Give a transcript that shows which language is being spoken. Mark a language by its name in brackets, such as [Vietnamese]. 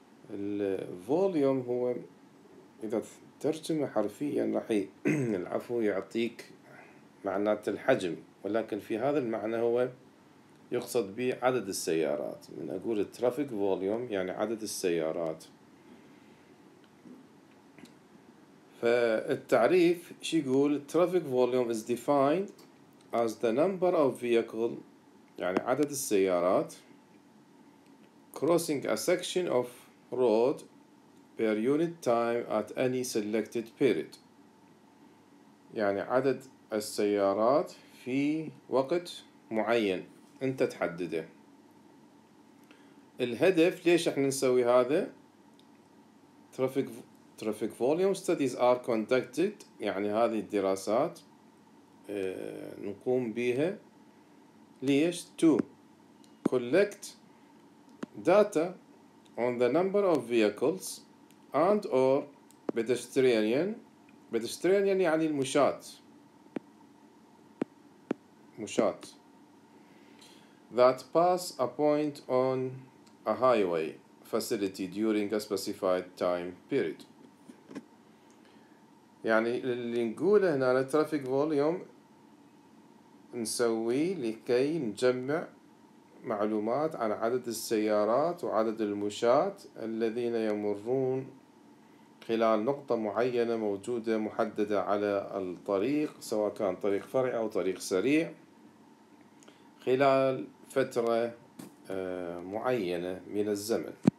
[Arabic] الفوليوم هو إذا ترجمه حرفيا راح العفو يعطيك معنات الحجم، ولكن في هذا المعنى هو يقصد به عدد السيارات. من أقول Traffic Volume يعني عدد السيارات. فالتعريف شي يقول [English] Traffic Volume is defined as the number of vehicle، [Arabic] يعني عدد السيارات، [English] crossing a section of road per unit time at any selected period، [Arabic] يعني عدد السيارات في وقت معين انت تحدده. الهدف ليش احنا نسوي هذا؟ [English] Traffic volume studies are conducted، [Arabic] يعني هذه الدراسات نقوم بها. ليش؟ [English] to collect data on the number of vehicles and or pedestrian، [Arabic] يعني المشاة [English] that pass a point on a highway facility during a specified time period. [Arabic] يعني اللي نقوله هنا traffic volume نسوي لكي نجمع معلومات عن عدد السيارات وعدد المشاة الذين يمرون خلال نقطة معينة موجودة محددة على الطريق، سواء كان طريق فرعي أو طريق سريع، خلال فترة معينة من الزمن.